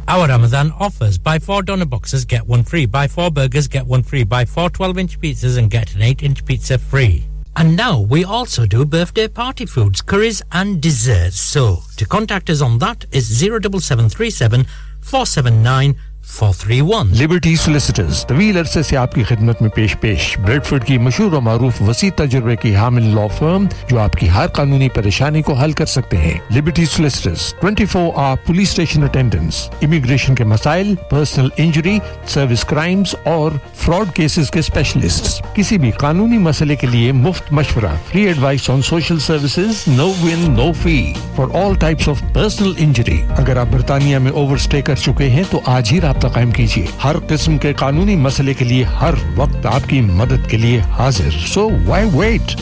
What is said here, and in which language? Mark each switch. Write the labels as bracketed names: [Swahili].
[English] Our Ramadan offers, buy 4 donor boxes, get 1 free, buy 4 burgers, get 1 free, buy 4 12-inch pizzas and get an 8-inch pizza free. And now we also do birthday party foods, curries and desserts. So, to contact us on that is 07737-479-431. Liberty Solicitors. [Urdu] طویل عرصے سے آپ کی خدمت میں پیش پیش. Bradford کی مشہور و معروف وسیع تجربے کی حامل لا فرم جو آپ کی ہر قانونی پریشانی کو حل کر سکتے ہیں. [English] Liberty Solicitors. 24-hour police station attendance. Immigration کے مسائل, personal injury, service crimes اور fraud cases کے specialists. [Urdu] کسی بھی قانونی مسئلے کے لیے مفت مشورہ. [English] Free advice on social services. No win, no fee. For all types of personal injury. [Urdu] اگر آپ برطانیہ میں overstay کر چکے ہیں تو آج ہی رابطہ قائم کیجئے ہر قسم کے قانونی مسئلے کے لیے ہر وقت آپ کی مدد کے لیے حاضر So why wait?